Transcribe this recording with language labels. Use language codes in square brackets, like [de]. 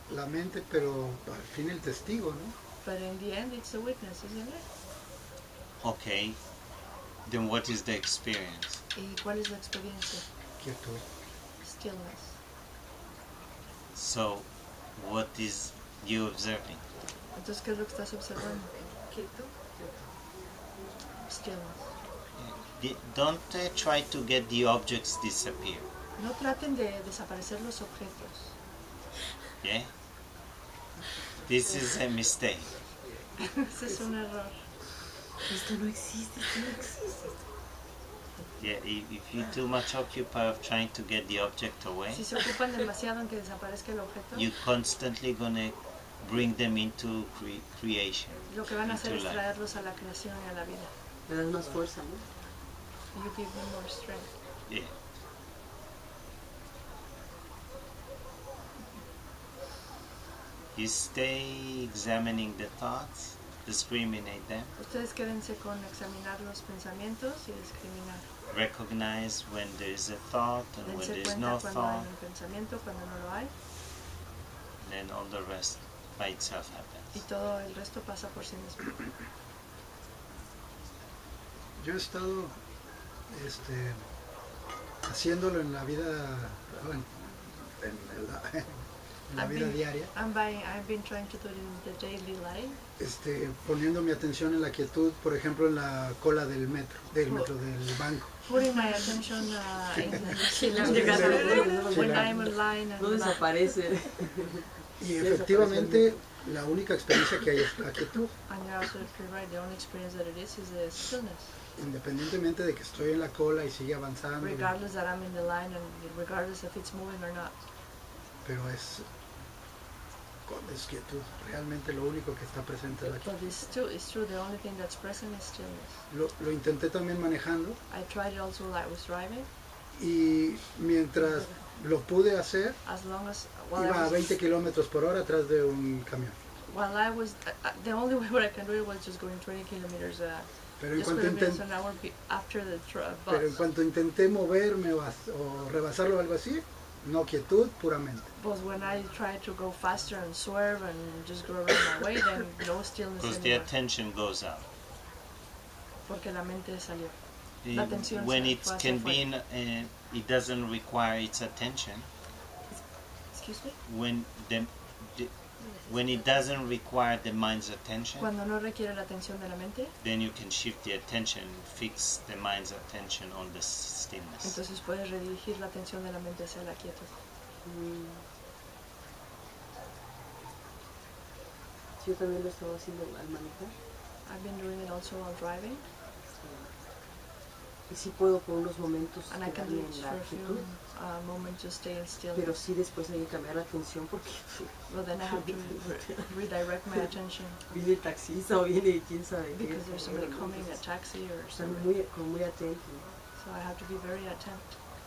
[es] la mente, pero al fin el testigo, ¿no? [en] But in the end, it's the witness, isn't it? Okay, then what is the experience? [es] ¿Y cuál es la experiencia? Quietud. [en] Stillness. So, what is you observing? [es] Entonces, ¿qué es lo que estás observando? Quietud. [en] Stillness. Don't try to get the objects disappear. [es] No traten de desaparecer los objetos. [en] Yeah. This is a mistake. [es] Ese es un error. Esto no existe, esto no existe. [en] Yeah, if you too much occupy of trying to get the object away. [es] Si se ocupan demasiado en que desaparezca el objeto. [en] You constantly gonna bring them into creation. [es] Lo que van a hacer es traerlos a la creación y a la vida. Le dan más fuerza, ¿no? [en] You give them more strength. Yeah. You stay examining the thoughts, discriminate them. [es] Ustedes quédense con examinar los pensamientos y discriminar. [en] Recognize when there is a thought and dense when there is no [es] cuando [en] thought. [es] Hay un pensamiento, cuando no lo hay. [en] Then all the rest by itself happens. [es] Y todo el resto pasa por sí mismo. Yo he estado haciéndolo en la vida, en la vida diaria. [en] I've been trying to do it in the daily life. [es] Poniendo mi atención en la quietud, por ejemplo, en la cola del metro, del banco. [en] Putting my attention in the when I'm in line and [es] desaparece. Y efectivamente, la única experiencia que hay es la quietud. [en] And you're absolutely right. The only experience that it is the stillness. [es] Independientemente de que estoy en la cola y sigue avanzando. [en] Regardless that I'm in the line and regardless if it's moving or not. [es] Pero es quietud, realmente lo único que está presente es la quietud. [en] But it's true, the only thing that's present is stillness. [es] Lo intenté también manejando. [en] I tried it also while I was driving. [es] y mientras lo pude hacer, iba a 20 kilómetros por hora atrás de un camión. [en] While I was, the only way I could do it was just going 20 kilometers [es] Pero en cuanto intenté moverme o rebasarlo o algo así, no quietud puramente. [en] But when I tried to go faster and swerve and just go around my way, then no stillness. Because the attention goes out. [es] Porque la mente salió. [en] When it can be, it doesn't require its attention. Excuse me. When it doesn't require the mind's attention, [es] cuando no requiere la atención de la mente, [en] then you can shift the attention, fix the mind's attention on the stillness. [es] Entonces puedes redirigir la atención de la mente hacia la quietud. Yo también lo estaba haciendo al manejar. [en] I've been doing it also while driving. [es] Y sí puedo por unos momentos quedarme en la quietud. [en] A moment to stay still. [es] Pero sí después hay que cambiar la atención porque. [en] Well, then I have to redirect my attention. [es] Viene el taxista o viene quién sabe. [en] Because there's somebody coming, a taxi or something. [es] Estar muy, como muy atento. [en] So I have to be very attentive.